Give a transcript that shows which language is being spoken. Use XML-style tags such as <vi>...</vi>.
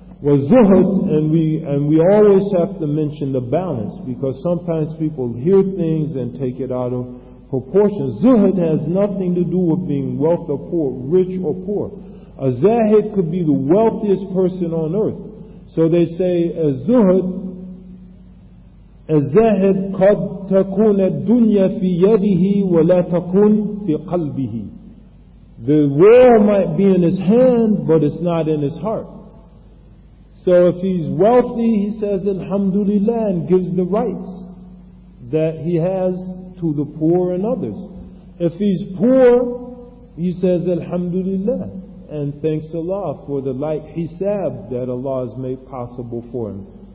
<en>Well, zuhud, and we always have to mention the balance, because sometimes people hear things and take it out of proportion. Zuhud has nothing to do with being wealthy or poor, rich or poor. A zahid could be the wealthiest person on earth. So they say,</en> <ar>a zahid قد تكون الدنيا في يده ولا تكون في قلبه.</ar> <en>The world might be in his hand, but it's not in his heart. So if he's wealthy, he says alhamdulillah and gives the rights that he has to the poor and others. If he's poor, he says alhamdulillah and thanks Allah for the light hisab that Allah has made possible for him.</en>